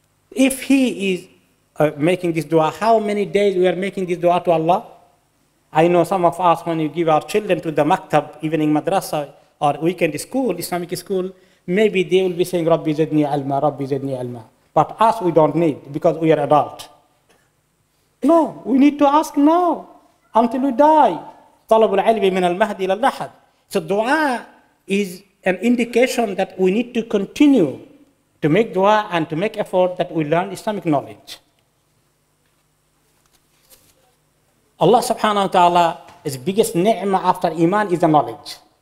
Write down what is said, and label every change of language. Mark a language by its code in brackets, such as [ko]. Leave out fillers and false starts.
[en] If he is making this dua, how many days we are making this dua to Allah? I know some of us, when you give our children to the maktab, evening madrasa, or weekend school, Islamic school, maybe they will be saying, [ar] Rabbi zidni alma, Rabbi zidni alma. [en] But us, we don't need, because we are adult. No, we need to ask now, until we die. [ar] طلب العلم من المهد إلى اللحد. [en] So dua is an indication that we need to continue to make dua and to make effort that we learn Islamic knowledge. Allah subhanahu wa ta'ala, his biggest ni'mah after iman is the knowledge.